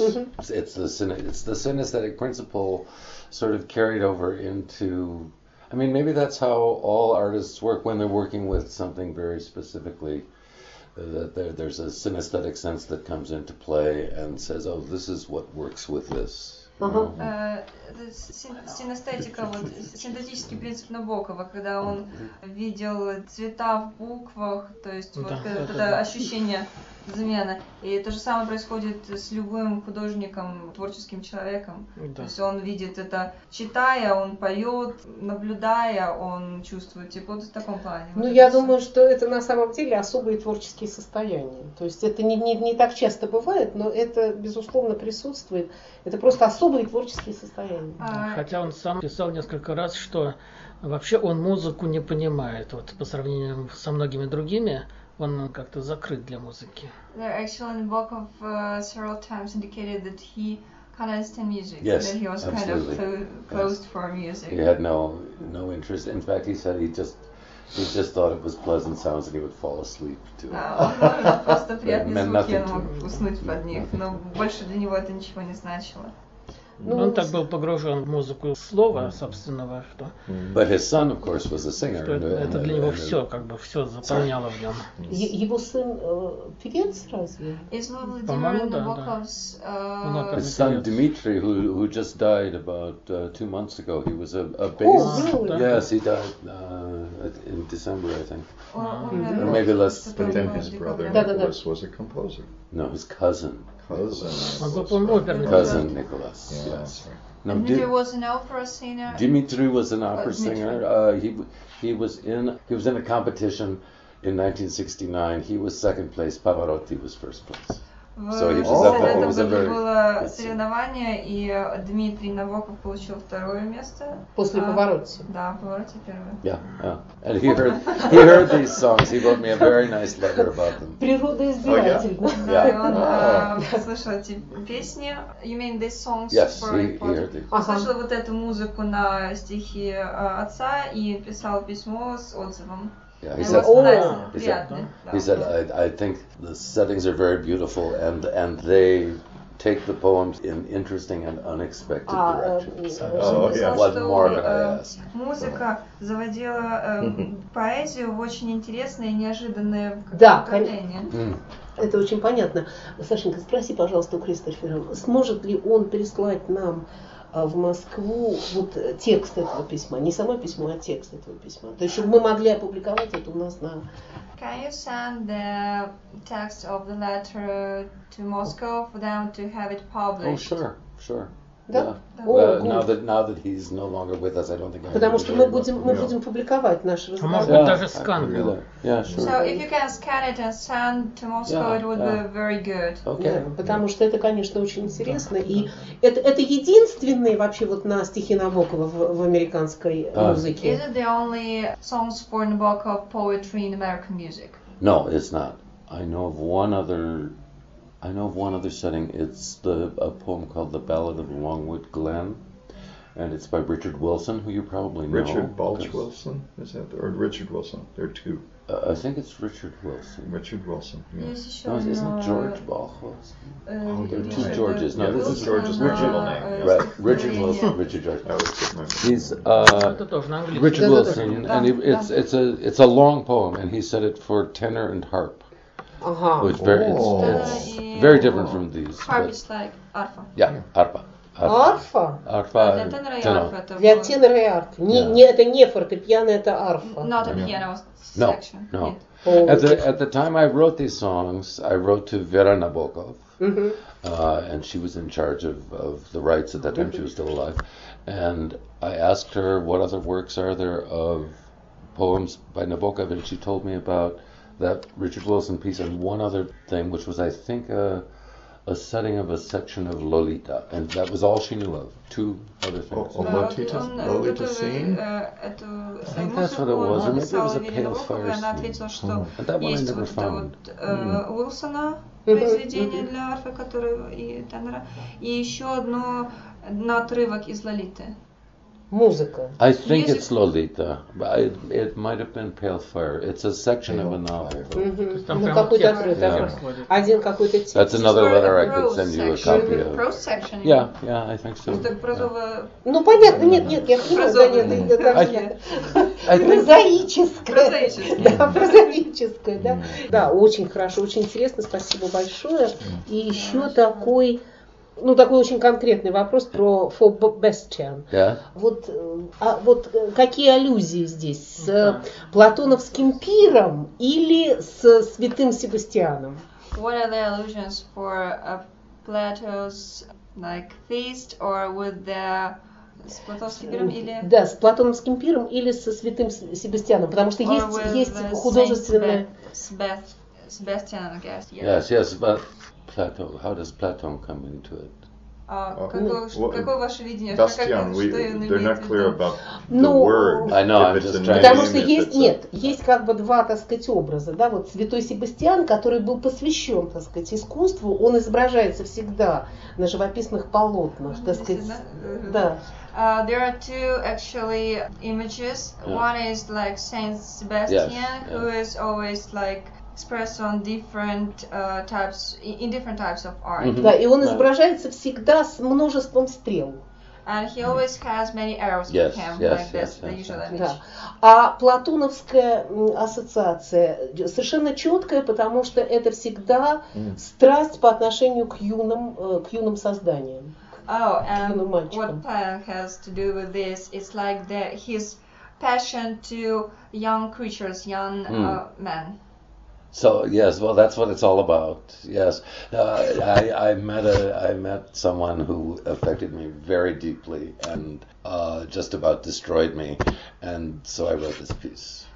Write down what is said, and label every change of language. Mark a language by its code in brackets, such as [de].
[en] It's the synesthetic principle sort of carried over into, I mean, maybe that's how all artists work when they're working with something very specifically. That there's a synesthetic sense that comes into play and says, oh, this is what works with this. [ru] Синтетический принцип Набокова, когда он видел цвета в буквах, то есть вот это ощущение замены. И то же самое происходит с любым художником, творческим человеком. То есть он видит это, читая, он поет, наблюдая, он чувствует. Типа вот в таком плане. Ну, я думаю, что это на самом деле особые творческие состояния. То есть это не так часто бывает, но это, безусловно, присутствует. Это просто особые творческие состояния. Хотя он сам писал несколько раз, что вообще он музыку не понимает, вот по сравнению со многими другими. Он как-то закрыт для музыки. [en] Actually, Nabokov several times indicated that he can't understand music. Yes, that he was absolutely. kind of closed for music. He had no interest. In fact, he said he just thought it was pleasant sounds and he would fall asleep to it. [ru] Просто приятные звуки, он мог уснуть под них, но больше для него это ничего не значило. Он так был погружен в музыку слова собственного, что... [en] But his son, of course, was a singer. [ru] Это для него все, как бы все заполняло в нем. Его сын певец разве? [en] Is Vladimir Nabokov's... His son Dmitry, who just died about 2 months ago, he was a bass... Oh, really? Yes, he died in December, I think. Or maybe less. But then his brother, of course, was a composer. No, his cousin. Cousin Nicholas. Yes. Now, Dmitry was an opera singer. Dmitry was an opera singer. He was in a competition in 1969. He was second place. Pavarotti was first place. So he was up there. [ru] Было соревнование, и Дмитрий Набоков получил второе место. После Pavarotti. Да, Pavarotti первое. [en] Yeah. And he heard these songs. He wrote me a very nice letter about them. [ru] Природа избирательна. Да, и он услышал эти песни. [en] You mean these songs? Yes, for he heard it. [ru] Услышал вот эту музыку на стихи отца и писал письмо с отзывом. [en] Yeah, he said. He said, I think the settings are very beautiful, and they take the poems in interesting and unexpected directions. What more could I ask? [ru] Музыка заводила поэзию в очень интересное и неожиданное направление. Это очень понятно. Сашенька, спроси, пожалуйста, у Кристофера, сможет ли он прислать нам в Москву вот текст этого письма, не само письмо, а текст этого письма, то есть чтобы мы могли опубликовать это у нас на. [en] Can you send the text of the letter to Moscow for them to have it published? Oh, sure, sure. [ru] Да. [en] Now that he's no longer with us, I don't think. [ru] Потому что мы будем публиковать наш разговор. А может быть даже скан. [en] Yeah, sure. So if you can scan it and send to Moscow, it would be very good. Okay. [ru] Yeah, потому что это, конечно, очень интересно, и это единственный вообще вот на стихи Набокова в американской музыке. [en] Is it the only songs for Nabokov poetry in American music? No, it's not. I know of one other setting. It's a poem called The Ballad of Longwood Glen, and it's by Richard Wilson, who you probably know. Richard Balch Wilson, is that? Or Richard Wilson, there are two. I think it's Richard Wilson. Richard Wilson, yeah. No, isn't George Balch Wilson? There are two Georges. No, this is George's Richard, name. Yeah. Right, Richard Wilson, Richard George. I would say he's Richard Wilson, and it's a long poem, and he said it for tenor and harp. Uh-huh. Which very, it's very different from these. Harp is like arpa. Yeah, arpa. [ru] Арфа? Арфа. Для тенора и арфа. Это не фортепиано, это арфа. [en] Not a piano section. No. At the time I wrote these songs, I wrote to Vera Nabokov. And she was in charge of the rights at that time. She was still alive. And I asked her, what other works are there of poems by Nabokov? And she told me about that Richard Wilson piece and one other thing, which was, I think, a setting of a section of Lolita. And that was all she knew of. Two other things. Oh, Lolita scene? I think that's what it was. Or maybe it was a Pale Fire scene. And that one I never found. [ru] Wilsona произведение для арфы, которое и тенора. И еще одно на отрывок из Лолиты. музыка. [en] I think it's Lolita. It might have been Pale Fire. It's a section of a novel. [ru] Ну, какой-то отрывок. Yeah. Один какой-то текст. [en] That's another letter I could send you a copy of. Prose section? Yeah, yeah, I think so. [ru] Ну, понятно, нет, я понимаю, да, прозаическое. Прозаическое, да. Да, очень хорошо, очень интересно, спасибо большое. И еще такой... Ну, такой очень конкретный вопрос про For Bastian. [en] Yeah. [ru] Вот, вот какие аллюзии здесь? С платоновским пиром или с святым Себастьяном? [en] What are the allusions for a Plato's like feast or with the... [ru] С платоновским пиром или... Да, с платоновским пиром или со святым Себастьяном, потому что есть художественное... [en] Sebastian, I guess. Yes, yes, but... Plato. How does Plato come into it? [ru] Какое ваше видение? [en] Bastian, they're not clear about the word. I know, I'm just trying to... [ru] Потому что есть, нет, есть как бы два, так сказать, образа, да, вот святой Себастьян, который был посвящен, так сказать, искусству, он изображается всегда на живописных полотнах, так сказать, да. [en] There are two, actually, images. One is like Saint Sebastian, who is always like... Expressed on different types, in different types of art. Mm-hmm. [ru] Да, и он изображается всегда с множеством стрел. [en] And he always has many arrows with him, like that's the usual image. [ru] Да. А платоновская ассоциация совершенно четкая, потому что это всегда страсть по отношению к юным созданиям, к юным мальчикам. [en] What Plan has to do with this? It's like the his passion to young creatures, young men. So yes, well, that's what it's all about. Yes, I met someone who affected me very deeply and just about destroyed me, and so I wrote this piece.